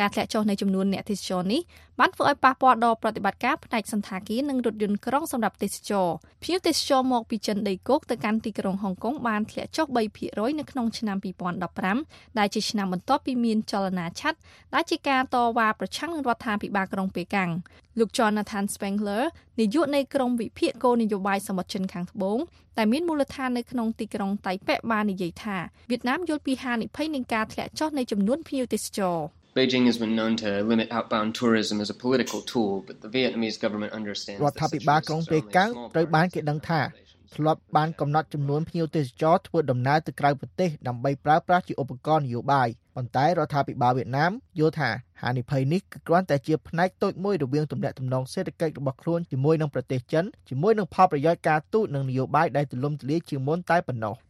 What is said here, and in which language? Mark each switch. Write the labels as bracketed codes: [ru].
[km] ការធ្លាក់ចុះនៃចំនួនអ្នកទេសចរនេះបានធ្វើឲ្យប៉ះពាល់ដល់ប្រតិបត្តិការផ្នែកសន្តិការនិងរថយន្តក្រុងសម្រាប់ទេសចរភ្ញៀវទេសចរមកពីចិនដីគោកទៅកាន់ទីក្រុងហុងកុងបានធ្លាក់ចុះ 3% នៅក្នុងឆ្នាំ2015ដែលជាឆ្នាំបន្ទាប់ពីមានចលនាឆាត់ដែលជាការតវ៉ាប្រឆាំងនឹងរដ្ឋាភិបាលក្រុងប៉េកាំងលោក Jonathan Spengler នាយកនៃក្រុមវិភាគគោលនយោបាយសមុទ្រចិនខាងត្បូងតែមានមូលដ្ឋាននៅក្នុងទីក្រុងតៃប៉េបាននិយាយថាវៀតណាមយល់ពីហានិភ័យនឹងការធ្លាក់ចុះនៃចំនួនភ្ញៀវទេសចរ [en] Beijing has been known to limit outbound tourism as a political tool, but the Vietnamese government understands that. [km] រដ្ឋាភិបាលក្រុងប៉េកាំងត្រូវបានគេដឹងថាធ្លាប់បានកំណត់ចំនួនភ្ញៀវទេសចរធ្វើដំណើរទៅក្រៅប្រទេសដើម្បីប្រើប្រាស់ជាឧបករណ៍នយោបាយប៉ុន្តែរដ្ឋាភិបាលវៀតណាមយល់ថាហានិភ័យនេះគឺគ្រាន់តែជាផ្នែកតូចមួយរវាងទំនាក់ទំនងសេដ្ឋកិច្ចរបស់ខ្លួនជាមួយនឹងប្រទេសចិនជាមួយនឹងផលប្រយោជន៍ការទូតនិងនយោបាយដែលទលំទលាយជាមុនតែប៉ុណ្ណោះ